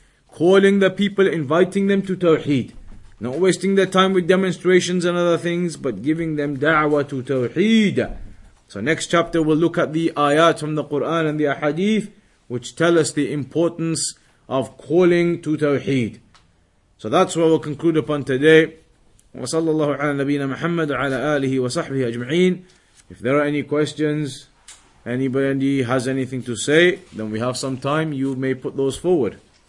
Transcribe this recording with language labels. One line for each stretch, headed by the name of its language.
English: Calling the people, inviting them to tawheed. Not wasting their time with demonstrations and other things, but giving them da'wah to tawheed. So next chapter we'll look at the ayat from the Quran and the ahadith, which tell us the importance of calling to tawheed. So that's what we'll conclude upon today.
Arabic: وصلى الله على نبينا محمد وعلى آله وصحبه أجمعين.
English: If there are any questions, anybody has anything to say, then we have some time, you may put those forward.